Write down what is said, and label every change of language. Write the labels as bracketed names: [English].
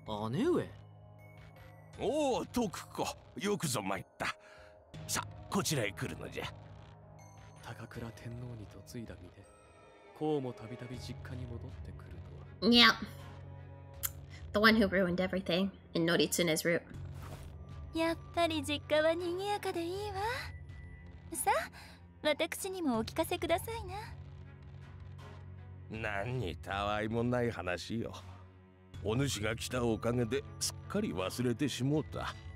[Japanese] 姉上。おお、トクコ、よくぞ参った。さ、こちらへ来るのじゃ。高倉天皇に嫁いだ身で、こうもたびたび実家に戻ってくるとは。 [English] Yep. The one who ruined everything in Noritsune's route. [Japanese] やっぱり実家は賑やかでいいわ。さ、私にもお聞かせくださいな。何にたわいもない話よ。お主が来たおかげですっかり忘れてしもうた。